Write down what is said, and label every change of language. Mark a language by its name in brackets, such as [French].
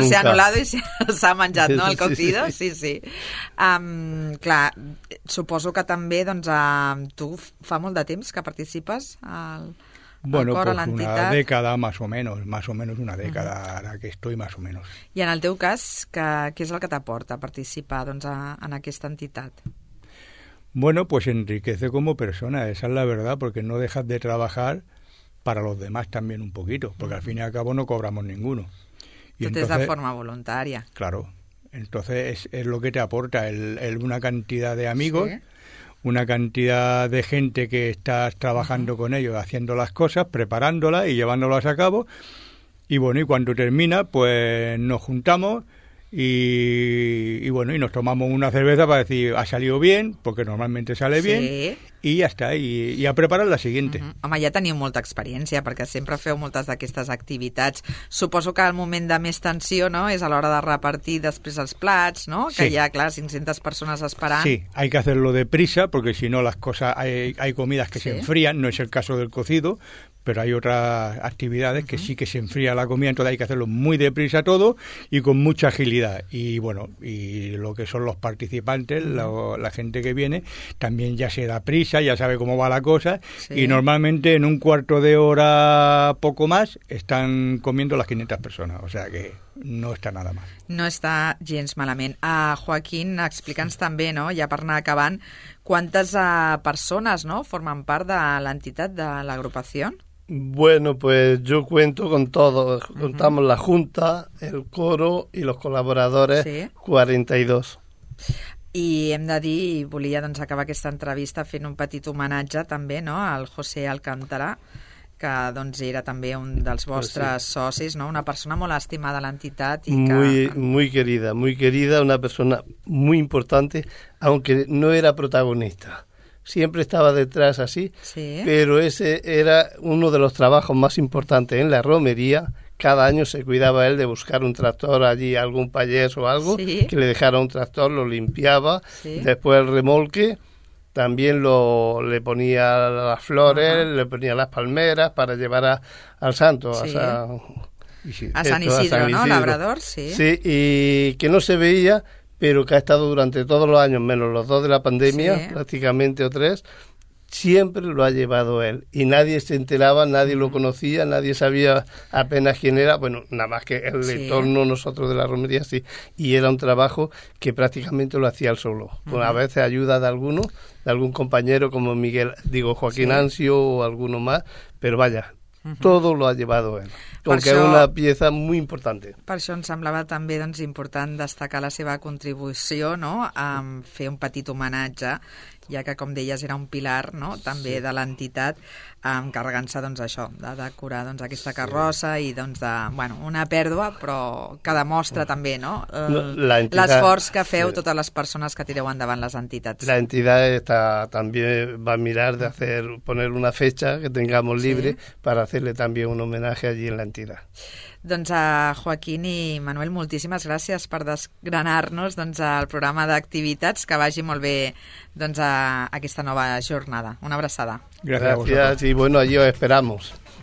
[Spanish] No se ha anulado y se ha [Catalan] menjat, [Spanish] ¿no?, el cocido, sí, sí. sí. [Catalan] sí, sí. Clar, suposo que també, doncs, tu fa molt de temps que participes al... [Spanish] Bueno, [Catalan] cor, [Spanish] pues una década más o menos una década uh-huh. ahora que estoy más o menos. [Catalan] I en el teu cas, què és el que t'aporta participar doncs, en aquesta entitat? [Spanish] Bueno, pues enriquece como persona, esa es la verdad, porque no dejas de trabajar para los demás también un poquito, porque al fin y al cabo no cobramos ninguno. Y tú entonces, te das forma voluntaria. Claro, entonces es lo que te aporta, el una cantidad de amigos... ¿Sí? Una cantidad de gente que estás trabajando con ellos, haciendo las cosas, preparándolas y llevándolas a cabo. Y bueno, y cuando termina, pues nos juntamos y bueno, y nos tomamos una cerveza para decir, ha salido bien, porque normalmente sale sí. bien. [Catalan] I ja està, i a preparar la següent. Uh-huh. Home, ja teniu molta experiència, perquè sempre feu moltes d'aquestes activitats. Suposo que el moment de més tensió, no?, és a l'hora de repartir després els plats, no?, sí. que hi ha, clar, 500 persones esperant. [Spanish] Sí, hay que hacerlo deprisa, porque si no, las cosas, hay comidas que sí. se enfrían, no es el caso del cocido, pero hay otras actividades uh-huh. que sí que se enfría la comida, entonces hay que hacerlo muy deprisa todo y con mucha agilidad. Y bueno, y lo que son los participantes, uh-huh. la gente que viene, también ya se da prisa, ya sabe cómo va la cosa sí. y normalmente en un cuarto de hora, poco más, están comiendo las 500 personas, o sea que no está nada mal. [Catalan] No está gens malament. Joaquín, explica'ns sí. també, no?, ja per anar acabant, [Spanish] ¿cuántas personas, no?, forman [Catalan] part de l'entitat de l'agrupació? [Spanish] Bueno, pues yo cuento con todo. Uh-huh. Contamos la junta, el coro y los colaboradores, sí. 42. [Catalan] I hem de dir, i volia doncs, acabar aquesta entrevista fent un petit homenatge també, no?, al José Alcántara, que doncs era també un dels vostres sí. socis, no? Una persona molt estimada a l'entitat i [Spanish] muy, que... Muy querida, muy querida, una persona muy importante, aunque no era protagonista. Siempre estaba detrás así, sí. pero ese era uno de los trabajos más importantes en la romería. Cada año se cuidaba él de buscar un tractor allí, algún payés o algo, sí. que le dejara un tractor, lo limpiaba, sí. después el remolque... También lo le ponía las flores, ajá. le ponía las palmeras para llevar a, al santo, sí. a San Isidro, ¿no? Labrador, sí. Sí, y que no se veía, pero que ha estado durante todos los años, menos los dos de la pandemia, sí. prácticamente o tres, siempre lo ha llevado él. Y nadie se enteraba, nadie lo conocía, nadie sabía apenas quién era, bueno, nada más que el sí. entorno, nosotros de la romería, sí. Y era un trabajo que prácticamente lo hacía él solo, con a veces ayuda de alguno. Algún compañero como Miguel, digo, Joaquín sí. Ancio o alguno más, pero vaya, uh-huh. todo lo ha llevado él, porque es una pieza muy importante. [Catalan] Per això em semblava també doncs, important destacar la seva contribució, no?, a fer un petit homenatge, ja que, com deies, era un pilar, no?, també sí. de l'entitat, encarregant-se, doncs, això, de decorar, doncs, aquesta carrossa sí. i, doncs, de, bueno, una pèrdua, però que demostra també, no?, l'esforç que feu sí. totes les persones que tireu endavant les entitats. [Spanish] La entitat está, [Catalan] també va mirar de [Spanish] hacer, poner una fecha que tengamos libre sí. para hacerle [Catalan] també [Spanish] un homenaje allí en la entidad. [Catalan] Doncs a Joaquín i Manuel, moltíssimes gràcies per desgranar-nos doncs, el programa d'activitats. Que vagi molt bé doncs, a aquesta nova jornada. Una abraçada. Gràcies. Gràcies i bueno, [Spanish] allí os esperamos.